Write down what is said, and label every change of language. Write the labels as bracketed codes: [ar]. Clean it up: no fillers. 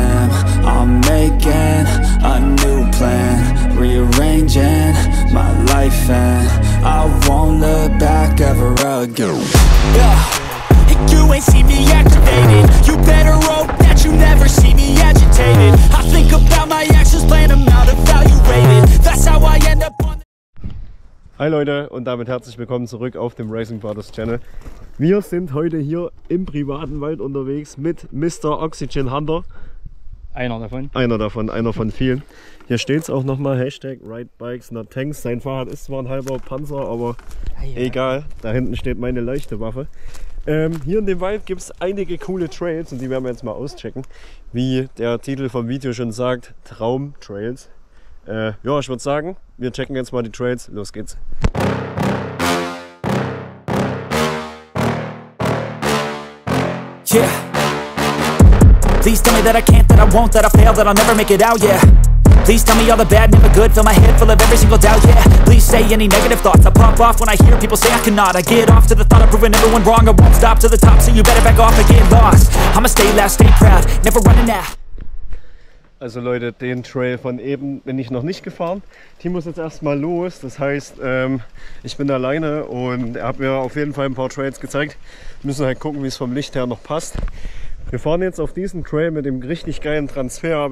[en] a new plan, rearranging my life and I won't look back ever again. Yeah, you ain't see me activated. You better hope that you never see me agitated. I think about my actions, plan them out, evaluated. That's how I end up on. [de] Hi Leute und damit herzlich willkommen zurück auf dem Racing Brothers Channel. Wir sind heute hier im privaten Wald unterwegs mit Mr. Oxygen Hunter. Einer von vielen. Hier steht es auch nochmal, Hashtag Ridebikes not Tanks. Sein Fahrrad ist zwar ein halber Panzer, aber ja, egal. Da hinten steht meine leichte Waffe. Hier in dem Wald gibt es einige coole Trails und die werden wir jetzt mal auschecken. Wie der Titel vom Video schon sagt, Traum-Trails. Ja, ich würde sagen, wir checken jetzt mal die Trails. Los geht's. [en] Yeah. Please tell me that I can't, that I won't, that I fail, that I'll never make it out, yeah. Please tell me all the bad, never good, fill my head full of every single doubt, yeah. Please say any negative thoughts, I pop off when I hear people say I cannot. I get off to the thought of proving everyone wrong, I won't stop to the top, so you better back off or get lost. I'ma stay loud, stay proud, never running out. [de] Also Leute, den Trail von eben bin ich noch nicht gefahren. Timo ist jetzt erstmal los, das heißt, ich bin alleine und er hat mir auf jeden Fall ein paar Trails gezeigt. Wir müssen halt gucken, wie es vom Licht her noch passt. Wir fahren jetzt auf diesen Trail mit dem richtig geilen Transfer.